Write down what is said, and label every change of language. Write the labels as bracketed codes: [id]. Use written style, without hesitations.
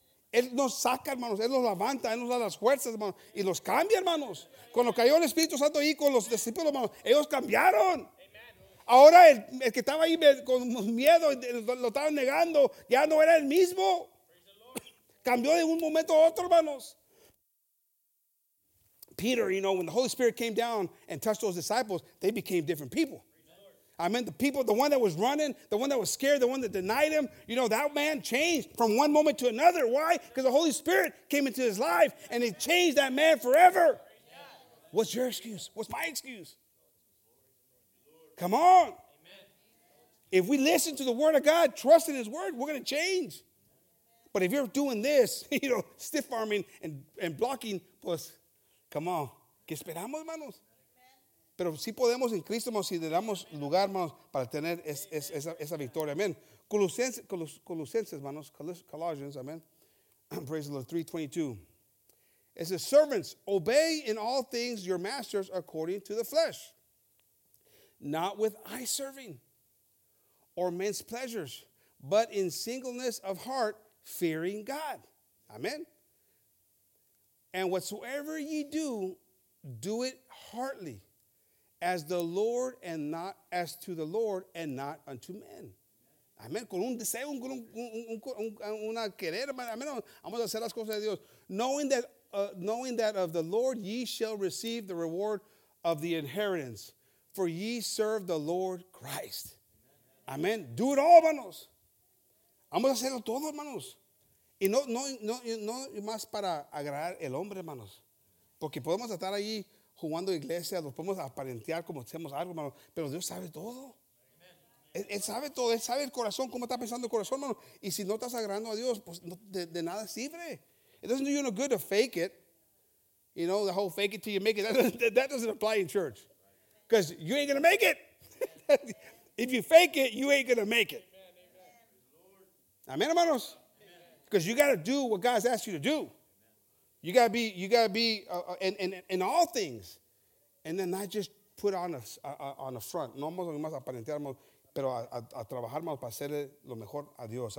[es] Él nos saca, hermanos, Él nos levanta, Él nos da las fuerzas, hermanos, y los cambia, hermanos. Cuando cayó el Espíritu Santo ahí con los discípulos, hermanos, ellos cambiaron. Ahora el que estaba ahí con miedo, lo estaban negando, ya no era el mismo. Cambió de un momento a otro, hermanos. [en] Peter, you know, when the Holy Spirit came down and touched those disciples, they became different people. I mean, the people, the one that was running, the one that was scared, the one that denied him, you know, that man changed from one moment to another. Why? Because the Holy Spirit came into his life and it changed that man forever. What's your excuse? What's my excuse? Come on. If we listen to the word of God, trust in his word, we're going to change. But if you're doing this, you know, stiff-arming and blocking, pues, come on. [es] ¿Qué esperamos, hermanos? Pero sí podemos en Cristo, hermanos, si le damos lugar, hermanos, para tener esa victoria. Amén. Colosenses, hermanos. Colossians, amén. [en] Praise the Lord. [es] 3:22. [en] It says, servants, obey in all things your masters according to the flesh, not with eye serving or men's pleasures, but in singleness of heart, fearing God. Amén. And whatsoever ye do it heartily, as the Lord and not as to the Lord and not unto men. [es] Amén. Con un deseo, una querer, amén. Vamos a hacer las cosas de Dios. [en] Knowing that of the Lord ye shall receive the reward of the inheritance, for ye serve the Lord Christ. [es] Amén. [en] Do it all, [es] hermanos. Vamos a hacerlo todo, hermanos. Y no más para agradar el hombre, hermanos. Porque podemos estar allí jugando iglesia, lo podemos aparentar como hacemos algo, hermanos. Pero Dios sabe todo. Él sabe todo, Él sabe el corazón, cómo está pensando el corazón, hermano. Y si no estás agradando a Dios, pues no, de nada sirve. [en] It doesn't do you no good to fake it. You know, the whole fake it till you make it. That doesn't apply in church. Because you ain't going to make it. If you fake it, you ain't going to make it. Amen, [es] hermanos. [en] Because you got to do what God's asked you to do. You got to be in all things. And then not just put on a front. [es] No vamos a más aparentar, pero a trabajar más para hacer lo mejor a Dios.